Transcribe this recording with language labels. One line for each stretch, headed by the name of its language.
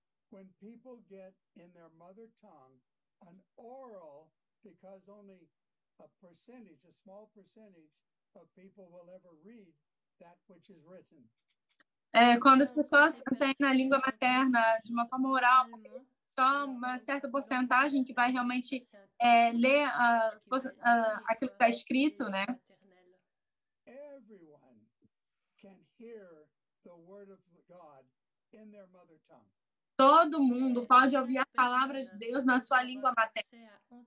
English: When people get in their mother tongue an oral, because only a small percentage of people will ever read that which is written.
Portuguese: É, quando as pessoas têm na língua materna, de uma forma oral, só uma certa porcentagem que vai realmente ler aquilo que está escrito, né?
English: Everyone can hear the word of God in their mother tongue.
Portuguese: Todo mundo pode ouvir a palavra de Deus na sua língua materna.